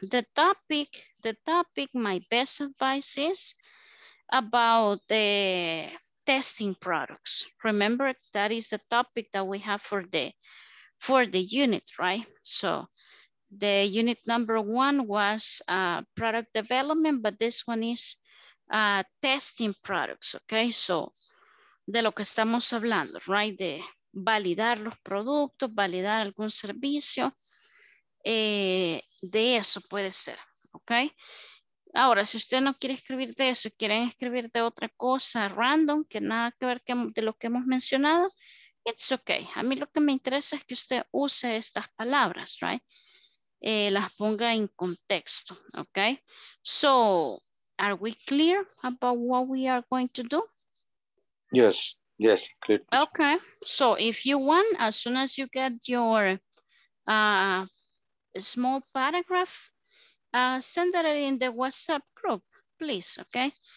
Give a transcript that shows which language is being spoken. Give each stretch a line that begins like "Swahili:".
English: The topic, my best advice is about the testing products. Remember, that is the topic that we have for the unit, right? So the unit number one was product development, but this one is testing products, okay?
Spanish: So de lo que estamos hablando, right? De validar los productos, validar algún servicio, de eso puede ser, okay? Ahora, si usted no quiere escribir de eso, quieren escribir de otra cosa random, que nada que ver de lo que hemos mencionado,
English: it's okay.
Spanish: A mí lo que me interesa es que usted use estas palabras, right? las ponga en contexto, okay?
English: So, are we clear about what we are going to do? Yes, yes, clear. Okay, so if you want, as soon as you get your small paragraph, send it in the WhatsApp group, please, okay?